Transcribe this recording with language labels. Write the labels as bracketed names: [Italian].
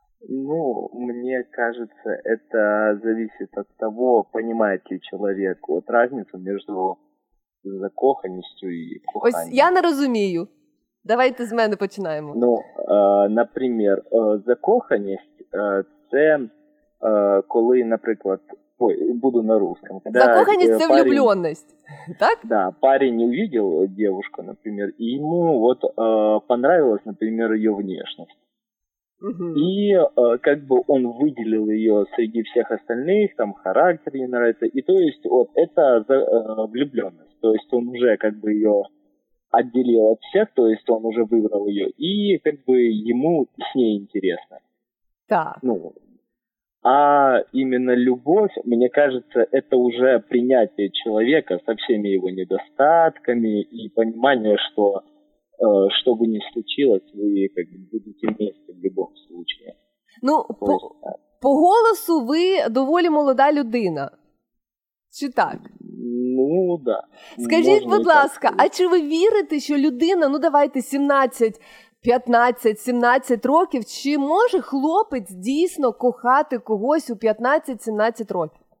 [Ukrainian] Ну, мені кажеться, це залежить від того, розуміє ли чоловік от різницю між закоханістю і коханням. Ось я не розумію. Давайте з мене починаємо. Ну, наприклад, закоханість це коли, наприклад, [Russian] буду на русском. [Ukrainian] Закоханість це влюблённость. Так? [Russian] Да, парень увидел девушку, например, и ему вот понравилась, например, её внешность. И как бы он выделил её среди всех остальных, там характер ей нравится, и то есть вот это влюблённость. То есть он уже как бы её отделил от всех, то есть он уже выбрал ее, и как бы ему с ней интересно. [Ukrainian] Так. [Russian] Ну, а именно любовь, мне кажется, это уже принятие человека со всеми его недостатками и понимание, что что бы ни случилось, вы как бы будете вместе в любом случае. Ну, [Ukrainian] По голосу ви доволі молода людина. Чи так? [Russian] Ну, да. [Ukrainian] Скажіть, можна, будь ласка, так, а чи ви вірите, що людина, ну давайте 17, 15, 17 років, чи може хлопець дійсно кохати когось у 15-17 років?